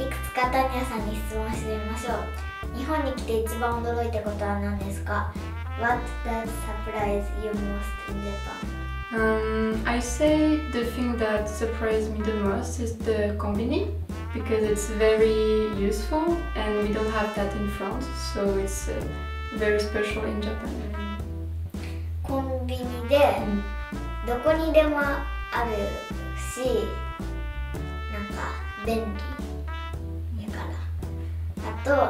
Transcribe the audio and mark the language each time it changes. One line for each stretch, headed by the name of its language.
Japanese: いくつかタニアさんに質問してみましょう。日本に来て一番驚いたことは何ですか？
English: What does surprise you most in Japan? I say the thing that surprised me the most is the konbini, because it's very useful and we don't have that in France, so it's very special in Japan.
Japanese: Konbini でどこにでもあるし、なんか便利だから。